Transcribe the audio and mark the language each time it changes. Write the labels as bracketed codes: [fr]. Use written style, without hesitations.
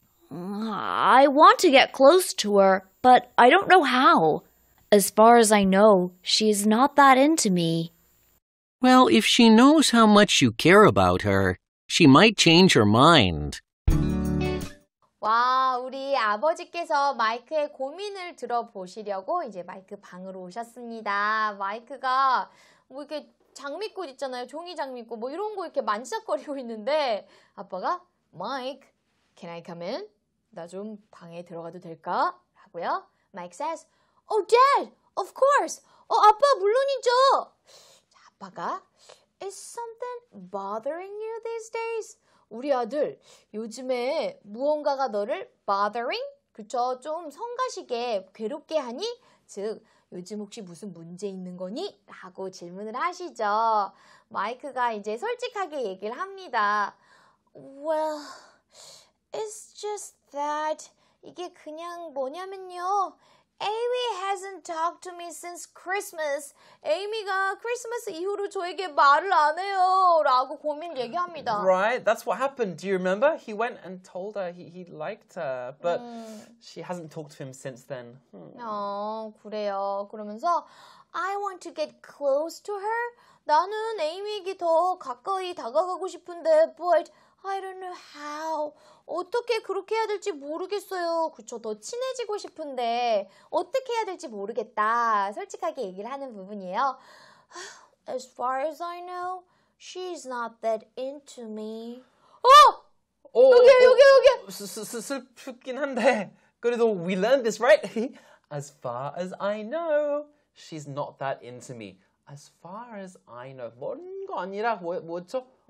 [en] I want to get close to her, but I don't know how. As far as I know, she is not that into me. Well, if she knows how much you care about her, she might change her mind. [ko] 와, 우리 아버지께서 마이크의 고민을 들어보시려고 이제 마이크 방으로 오셨습니다. 마이크가 뭐 이렇게 장미꽃 있잖아요. 종이 장미꽃 뭐 이런 거 이렇게 만지작거리고 있는데 아빠가 마이크, [en] can I come in? [ko] 나 좀 방에 들어가도 될까? 라고요. 마이크 says, [en] Oh, Dad, of course. [ko] 어, 아빠, 물론이죠. 자, 아빠가, [en] Is something bothering you these days? [ko] 우리 아들, 요즘에 무언가가 너를 bothering? 그쵸, 좀 성가시게 괴롭게 하니? 즉, 요즘 혹시 무슨 문제 있는 거니? 라고 질문을 하시죠. 마이크가 이제 솔직하게 얘기를 합니다. [en] Well, it's just that [ko] 이게 그냥 뭐냐면요. [en] Amy hasn't talked to me since Christmas. [ko] Amy가 크리스마스 이후로 저에게 말을 안 해요. 라고 고민 얘기합니다. [en] Right, that's what happened. Do you remember? He went and told her he liked her, but she hasn't talked to him since then. [ko] 어, 그래요. 그러면서 [en] I want to get close to her. [ko] 나는 에이미에게 더 가까이 다가가고 싶은데, [en] but I don't know how. [ko] 어떻게 그렇게 해야 될지 모르겠어요. 그쵸, 더 친해지고 싶은데 어떻게 해야 될지 모르겠다. 솔직하게 얘기를 하는 부분이에요. [en] As far as I know, she's not that into me. [ko] 어! 어 여기, 어, 여기, 어, 여기! 슬프긴 한데, 그래도 [en] we learned this, right? As far as I know, she's not that into me. As far as I know. [ko] 모르는 거 아니라, 뭐였죠?